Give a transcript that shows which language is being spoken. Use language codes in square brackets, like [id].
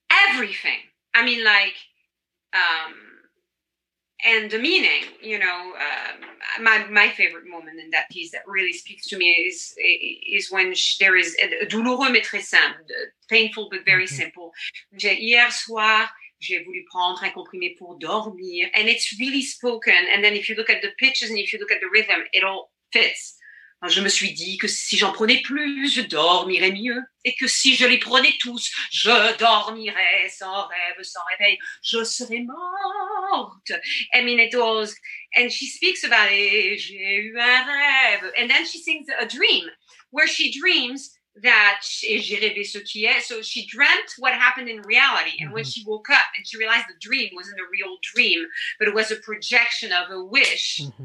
[en] Everything. I mean, like, and the meaning, you know, my favorite moment in that piece that really speaks to me is when there is a [fr] douloureux mais très simple, [en] painful but very simple. [fr] Hier soir, j'ai voulu prendre un comprimé pour dormir. [en] And it's really spoken. And then if you look at the pitches and if you look at the rhythm, it all fits. [fr] Je me suis dit que si j'en prenais plus, je dormirais mieux. Et que si je les prenais tous, je dormirais sans rêve, sans réveil. Je serais morte. [en] I mean, it was, and she speaks about it. [fr] J'ai eu un rêve. [en] And then she sings a dream, where she dreams that [fr] j'ai rêvé ce qui est. [en] So she dreamt what happened in reality. And when she woke up and she realized the dream wasn't a real dream, but it was a projection of a wish.